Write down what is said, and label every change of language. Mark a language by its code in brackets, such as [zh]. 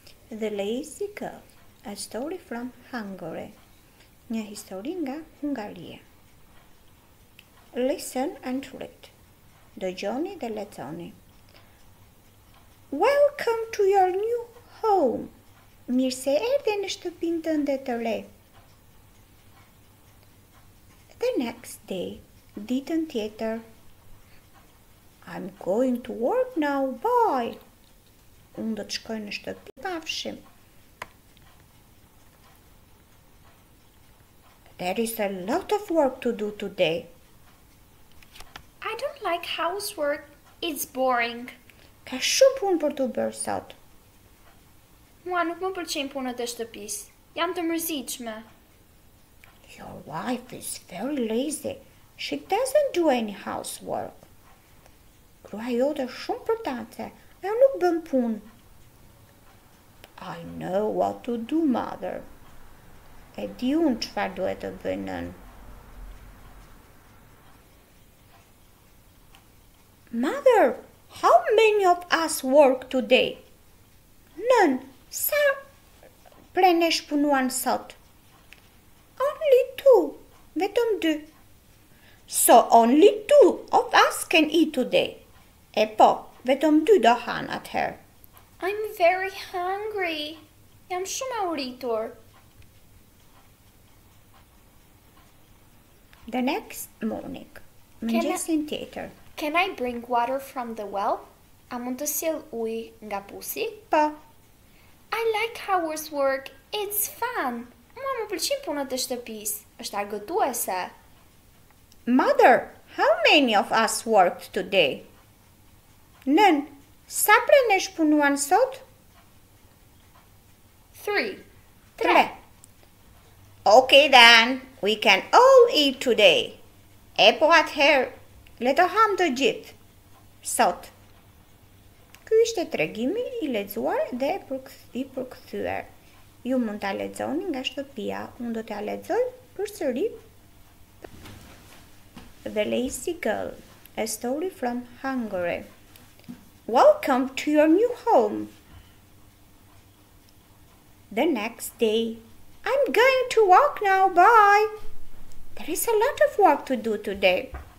[en] The Lazy Girl, a story from Hungary. [sq] Një histori nga Hungaria. [en] Listen and read. [sq] Dëgjoni dhe leconi. [en] Welcome to your new home. [sq] Mirëse erdhe në shtëpinë tënde të re. [en] The next day, [sq] ditën tjetër. [en] I'm going to work now, bye. [sq] Unë do të shkoj në shtëpi, pafshim. [en] There is a lot of work to do today. I don't like housework, it's boring. [sq] Ka shumë punë për të bërë sot. Mua nuk më pëlqejnë punët e shtëpisë, jam të mërzitshme. [en] Your wife is very lazy, she doesn't do any housework. [sq] Gruaja jote shumë përtace, ajo nuk bën punë. [en] I know what to do, mother. [sq] E di unë çfarë duhet të bëj nën. [en] Mother, how many of us work today? [sq] Nën, sa prenesh punuan sot? [en] Only two, [sq] vetëm dy. [en] So only two of us can eat today. [sq] E po, vetëm dy do han atëherë. [en] I'm very hungry. [sq] Jam shumë e uritur. [en] The next morning. [sq] Mëngjesin tjetër. [en] Can I bring water from the well? [sq] A mund të sjell ujë nga pusi? Po. [en] I like house work. It's fun. [sq] Mua më pëlqejnë punët e shtëpisë. Është argëtuese. [en] Mother, how many of us worked today? [sq] Nën, sa prenesh punuan sot? [en] Three. Okay then, we can all eat today. [sq] E po atëherë, le të ham të gjithë, sot. Ky ishte tregimi i lexuar dhe i përkthyer. Ju mund ta lexoni nga shtëpia, unë do t'ja lexoj përsëri. [en] The Lazy Girl, a story from Hungary. Welcome to your new home. The next day. I'm going to walk now, bye. There is a lot of work to do today.